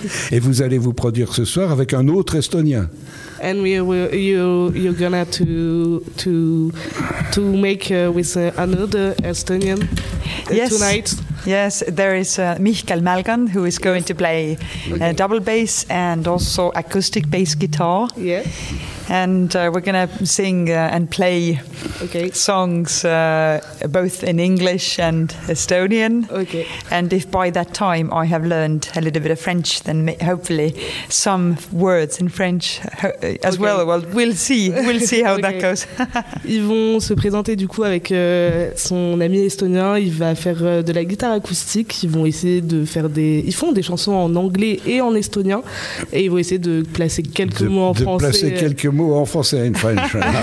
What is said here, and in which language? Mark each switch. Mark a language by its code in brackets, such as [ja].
[fr] Et vous allez vous produire ce soir avec un autre Estonien. [en] And you're gonna to make with another Estonian tonight. Yes, there is Mihkel Malgan, who is going to play double bass and also acoustic bass guitar. Yeah. And we're going to sing and play songs both in English and Estonian. Okay. And if by that time I have learned a little bit of French, then hopefully some words in French as well. Well, we'll see. We'll see how that goes. [fr] Ils vont se présenter du coup avec son ami estonien. Il va faire de la guitare acoustique. Ils vont essayer de faire des... Ils font des chansons en anglais et en estonien. Et ils vont essayer de placer quelques mots en français. De placer quelques mots en français et en French.